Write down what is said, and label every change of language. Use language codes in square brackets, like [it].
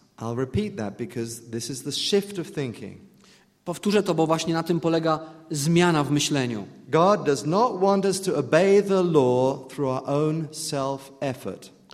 [en] I'll repeat that because this is the shift of thinking. [pl] Powtórzę to, bo właśnie na tym polega zmiana w myśleniu. [en] God does not want us to obey the law through our own self-effort.